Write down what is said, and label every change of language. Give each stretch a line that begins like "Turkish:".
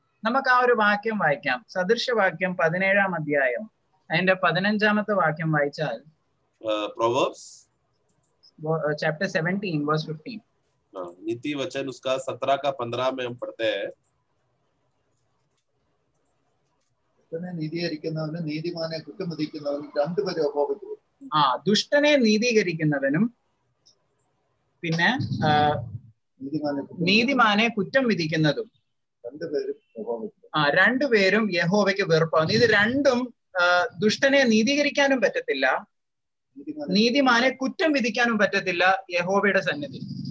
Malayalam: നമുക്ക് ആ ഒരു വാക്യം വായിക്കാം സദൃശ വാക്യം 17-ാം അധ്യായം അതിന്റെ 15-ാമത്തെ വാക്യം വായിച്ചാൽ
English: proverbs chapter 17 verse 15
Hindi: നീതി വചന उसका 17 का 15 में हम पढ़ते हैं
Malayalam: തന്നെ നീതീകരിക്കുന്നവനും നീതിമാനെ കുറ്റമതിക്കുന്നവനും രണ്ടു പേരെ അപോഹിക്കുന്നു ദുഷ്ടനെ നീതീകരിക്കുന്നവനും പിന്നെ നീതിമാനെ കുറ്റം വിധിക്കുന്നതും രണ്ടുപേരും യഹോവയ്ക്ക് വെറുപ്പാണ് ഇത് രണ്ടും ദുഷ്ടനെ നീതീകരിക്കാനും പറ്റത്തില്ല നീതിമാനെ കുറ്റം വിധിക്കാനും പറ്റത്തില്ല യഹോവയുടെ സന്നിധി